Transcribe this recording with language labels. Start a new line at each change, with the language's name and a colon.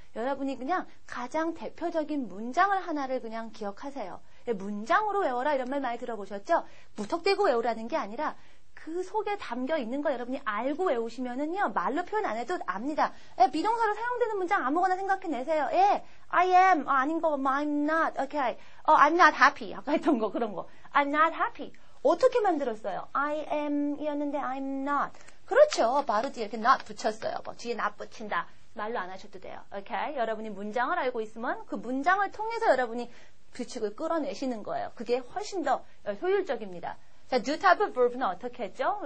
Korean: 여러분이 그냥 가장 대표적인 문장을 하나를 그냥 기억하세요. 문장으로 외워라 이런 말 많이 들어보셨죠? 무턱대고 외우라는 게 아니라 그 속에 담겨 있는 걸 여러분이 알고 외우시면은요 말로 표현 안 해도 압니다. 비동사로 사용되는 문장 아무거나 생각해내세요. 예, I am 아닌 거, I'm not, okay,
English: I'm not happy
Korean: 아까 했던 거 그런 거, I'm not happy. 어떻게 만들었어요? I am 이었는데 I'm not. 그렇죠. 바로 뒤에 이렇게 not 붙였어요. 뭐 뒤에 not 붙인다. 말로 안 하셔도 돼요. 오케이? 여러분이 문장을 알고 있으면 그 문장을 통해서 여러분이 규칙을 끌어내시는 거예요. 그게 훨씬 더 효율적입니다. 자, do type of verb는 어떻게 했죠?